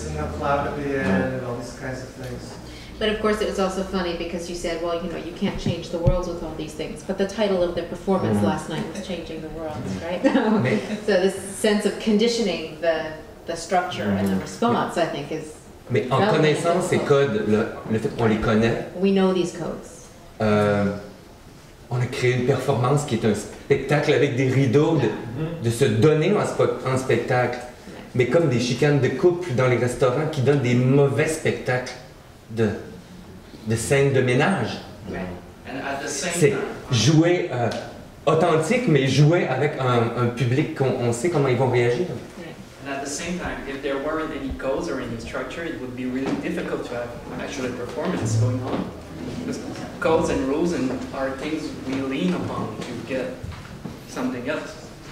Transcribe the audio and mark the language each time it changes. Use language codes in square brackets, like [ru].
[en] And a cloud at the end, and all these kinds of things. But of course, it was also funny because you said, well, you know, you can't change the world with all these things. But the title of the performance last night was Changing the World, right? So this sense of conditioning the structure and the response, I think, is... [fr] Mais en connaissant ces codes, le fait qu'on les connaît... [en] We know these codes. [fr] On a créé une performance qui est un spectacle avec des rideaux, de se donner en spectacle. Mais comme des chicanes de couple dans les restaurants qui donnent des mauvais spectacles. De scènes de ménage. C'est jouer authentique, mais jouer avec un public qu'on sait comment ils vont réagir. [en] And at the same time, if there weren't any goals or any structure, it would be really difficult to have actual performance going on. Because goals and rules and are things we lean upon to get something else.